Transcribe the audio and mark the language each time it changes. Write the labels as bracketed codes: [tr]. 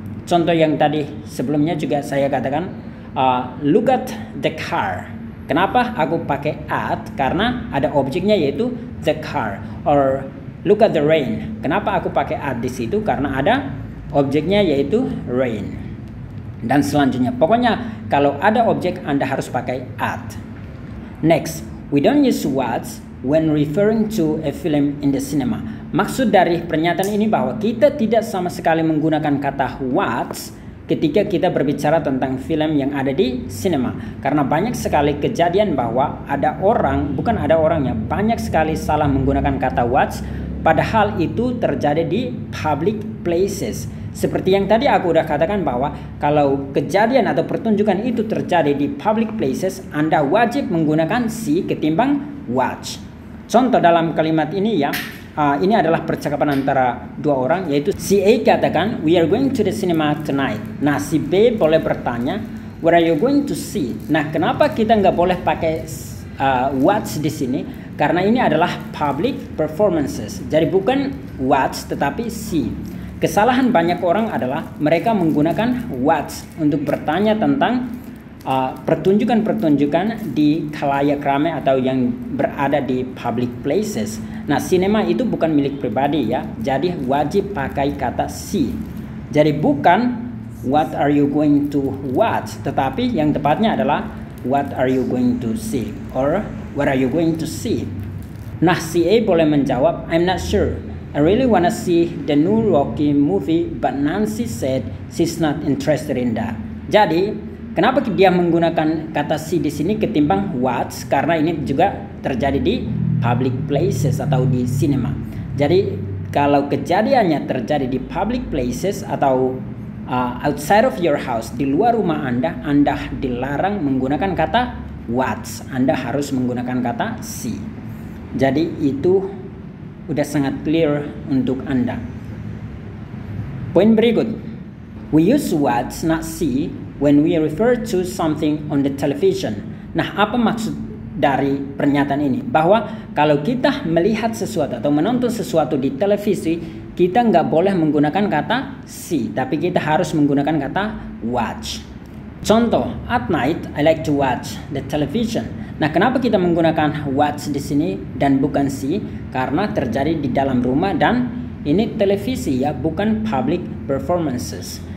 [id] Contoh yang tadi sebelumnya juga saya katakan, [en] look at the car. [id] Kenapa aku pakai at? Karena ada objeknya, yaitu the car. [en] Or look at the rain. [id] Kenapa aku pakai at di situ? Karena ada objeknya, yaitu rain. Dan selanjutnya, pokoknya kalau ada objek Anda harus pakai at. [en] Next, we don't use watch when referring to a film in the cinema. [id] Maksud dari pernyataan ini bahwa kita tidak sama sekali menggunakan kata watch ketika kita berbicara tentang film yang ada di cinema. Karena banyak sekali kejadian bahwa ada orang, bukan ada orangnya, banyak sekali salah menggunakan kata watch Padahal itu terjadi di public places. Seperti yang tadi aku udah katakan bahwa kalau kejadian atau pertunjukan itu terjadi di public places, Anda wajib menggunakan see ketimbang watch. Contoh dalam kalimat ini ya, ini adalah percakapan antara dua orang, yaitu si A katakan, [en] "We are going to the cinema tonight." [id] Nah, si B boleh bertanya, [en] "What are you going to see?" [id] Nah, kenapa kita nggak boleh pakai watch di sini? Karena ini adalah public performances. Jadi bukan watch, tetapi see. Kesalahan banyak orang adalah mereka menggunakan watch untuk bertanya tentang pertunjukan-pertunjukan di khalayak ramai atau yang berada di public places. Nah, cinema itu bukan milik pribadi ya. Jadi wajib pakai kata see. Jadi bukan [en] what are you going to watch, [id] tetapi yang tepatnya adalah [en] what are you going to see [id] or what are you going to see. Nah, si A boleh menjawab, [en] "I'm not sure. I really wanna see the new Rocky movie, but Nancy said she's not interested in that." [id] Jadi, kenapa dia menggunakan kata see di sini ketimbang watch? Karena ini juga terjadi di public places atau di cinema. Jadi, kalau kejadiannya terjadi di public places atau [en] outside of your house, [id] di luar rumah Anda, Anda dilarang menggunakan kata watch. Anda harus menggunakan kata see. Jadi, itu udah sangat clear untuk Anda. Poin berikut. [en] We use watch, not see, when we refer to something on the television. [id] Nah, apa maksud dari pernyataan ini? Bahwa kalau kita melihat sesuatu atau menonton sesuatu di televisi, kita nggak boleh menggunakan kata see, tapi kita harus menggunakan kata watch. [en] Contoh, at night, I like to watch the television. [id] Nah, kenapa kita menggunakan watch di sini dan bukan see? Karena terjadi di dalam rumah dan ini televisi ya, bukan public performances.